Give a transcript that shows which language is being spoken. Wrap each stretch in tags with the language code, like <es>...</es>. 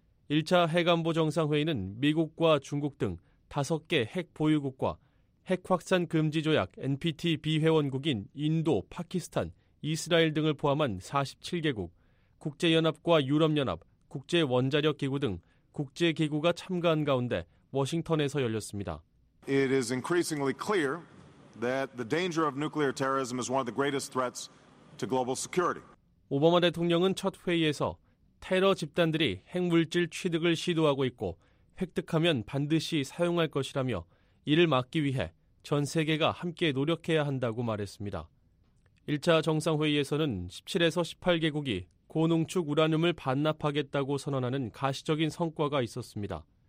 <ko>1차 핵안보 정상회의는 미국과 중국 등 5개 핵 보유국과 핵확산 금지조약 NPT 비회원국인 인도, 파키스탄, 이스라엘 등을 포함한 47개국, 국제연합과 유럽연합, 국제원자력기구 등 국제기구가 참가한 가운데 워싱턴에서 열렸습니다.</ko> <en>It is increasingly clear that the danger of nuclear terrorism is one of the greatest threats to global security.</en> <ko>오바마 대통령은 첫 회의에서 테러 집단들이 핵물질 취득을 시도하고 있고 획득하면 반드시 사용할 것이라며 이를 막기 위해 전 세계가 함께 노력해야 한다고 말했습니다. 1차 정상회의에서는 17에서 18개국이 고농축 우라늄을 반납하겠다고 선언하는 가시적인 성과가 있었습니다.</ko>